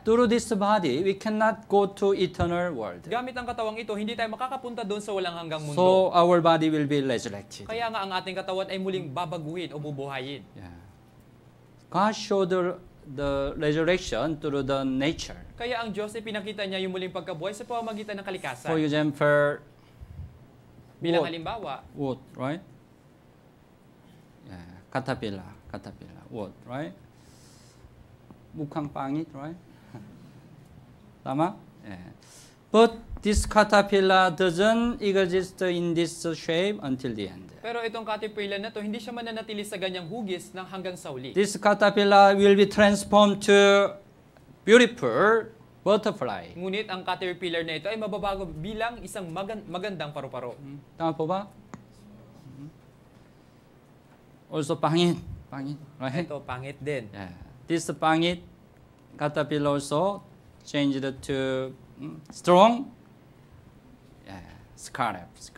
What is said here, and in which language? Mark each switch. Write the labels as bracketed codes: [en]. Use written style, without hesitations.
[en] Through this body, we cannot go to eternal world. [tl] Gamit ang katawang ito, hindi tayo makakapunta doon sa walang hanggang mundo. [en] So our body will be resurrected. [tl] Kaya nga ang ating katawan ay muling babaguhin o bubuhayin. [en] Yeah. God showed the resurrection through the nature. [tl] Kaya ang Diyos ay pinakita niya yung muling pagkabuhay sa pamamagitan ng kalikasan. [en] For example, [tl] bilang halimbawa, [en] wood, right? Yeah, caterpillar, wood, right? [tl] Mukhang pangit, right? Tama? Yeah. [en] But this caterpillar doesn't exist in this shape until the end. [tl] Pero itong caterpillar na to, hindi siya mananatili sa ganyang hugis nang hanggang sa uli. [en] This caterpillar will be transformed to beautiful butterfly. [tl] Ngunit ang caterpillar na ito ay mababago bilang isang magandang paru-paro. Tama po ba? [en] Also pangit, right? [tl] Ito pangit din. [en] Yeah. This pangit caterpillar also changed to strong. Yeah. Scarab.